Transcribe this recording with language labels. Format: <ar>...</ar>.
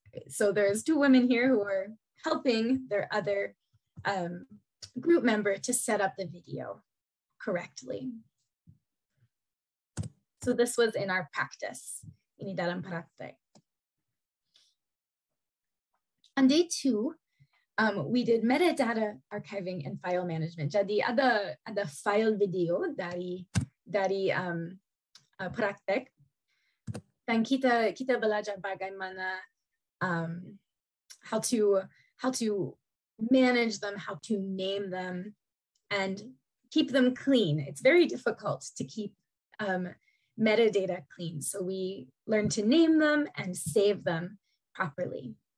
<en>So there's 2 women here who are helping their other group member to set up the video correctly. So this was in our practice.</en> <id>Ini dalam praktek.</id> <en>On day 2, we did metadata archiving and file management.</en> <id>Jadi ada file video dari praktek. Dan kita belajar bagaimana</id> <en>how to manage them, how to name them, and keep them clean. It's very difficult to keep metadata clean. So we learn to name them and save them properly.</en>